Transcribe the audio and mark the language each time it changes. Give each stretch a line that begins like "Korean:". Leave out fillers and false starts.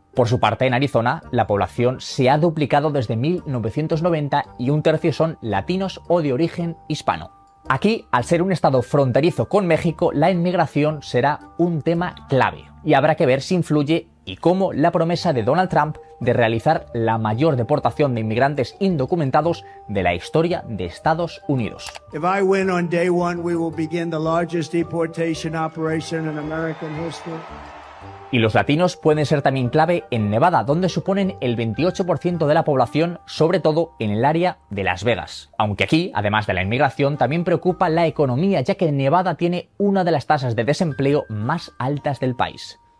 Spanish: Por su parte, en Arizona, la población se ha duplicado desde 1990 y un tercio son latinos o de origen hispano. Aquí, al ser un estado fronterizo con México, la inmigración será un tema clave y habrá que ver si influye y cómo la promesa de Donald Trump de realizar la mayor deportación de inmigrantes indocumentados de la historia de Estados Unidos.
English: If I win on day one, we will begin the largest deportation operation in American history.
Spanish: Y los latinos pueden ser también clave en Nevada, donde suponen el 28% de la población, sobre todo en el área de Las Vegas. Aunque aquí, además de la inmigración, también preocupa la economía, ya que Nevada tiene una de las tasas de desempleo más altas del país.